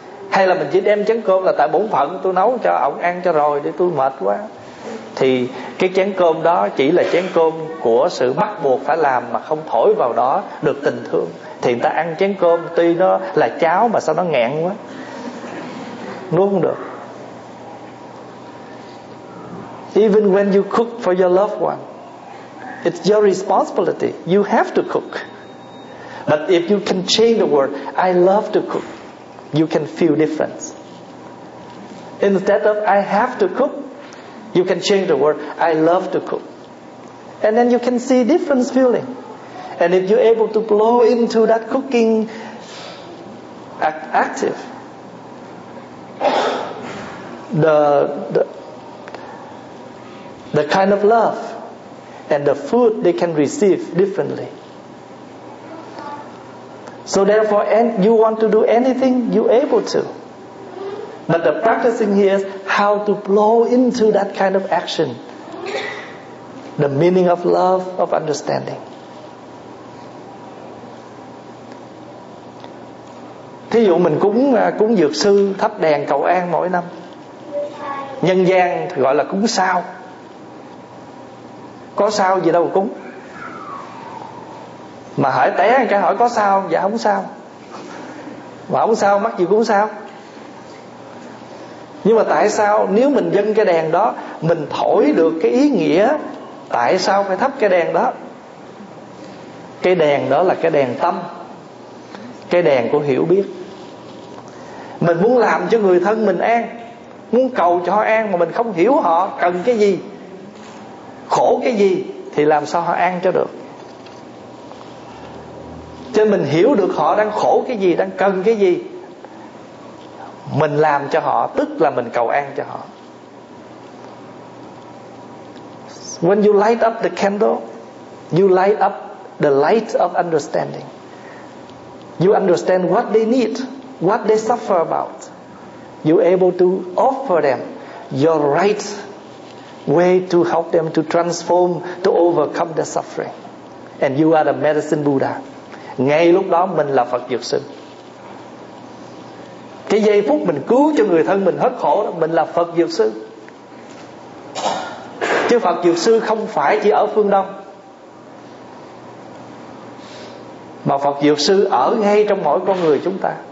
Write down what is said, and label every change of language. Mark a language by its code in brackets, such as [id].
[vi] Hay là mình chỉ đem chén cơm là tại bổn phận tôi nấu cho ổng ăn cho rồi, để tôi mệt quá, thì thì cái chén cơm đó chỉ là chén cơm của sự bắt buộc phải làm, mà không thổi vào đó được tình thương. Thì người ta ăn chén cơm tuy nó là cháo mà sao nó nghẹn quá, nuốt không được. [en] Even when you cook for your loved one, it's your responsibility. You have to cook. But if you can change the word, I love to cook, you can feel difference. Instead of I have to cook, you can change the word, I love to cook. And then you can see difference feeling. And if you're able to blow into that cooking active, the kind of love and the food they can receive differently. So therefore, and you want to do anything, you're able to. But the practicing here is how to blow into that kind of action, the meaning of love, of understanding. [vi] Thí dụ mình cúng cúng dược sư, thắp đèn cầu an mỗi năm, nhân gian thì gọi là cúng sao. Có sao gì đâu mà cúng, mà hỏi té người ta hỏi có sao, dạ không sao, mà không sao mắc gì cúng sao. Nhưng mà tại sao nếu mình dâng cái đèn đó, mình thổi được cái ý nghĩa tại sao phải thắp cái đèn đó. Cái đèn đó là cái đèn tâm, cái đèn của hiểu biết. Mình muốn làm cho người thân mình an, muốn cầu cho họ an mà mình không hiểu họ cần cái gì, khổ cái gì, thì làm sao họ an cho được. Cho nên mình hiểu được họ đang khổ cái gì, đang cần cái gì, mình làm cho họ, tức là mình cầu an cho họ. [en] When you light up the candle, you light up the light of understanding. You understand what they need, what they suffer about. You're able to offer them your right way to help them to transform, to overcome their suffering. And you are the medicine Buddha. [vi] Ngay lúc đó mình là Phật Dược Sư. Cái giây phút mình cứu cho người thân mình hết khổ đó, mình là Phật Dược Sư. Chứ Phật Dược Sư không phải chỉ ở phương Đông, mà Phật Dược Sư ở ngay trong mỗi con người chúng ta.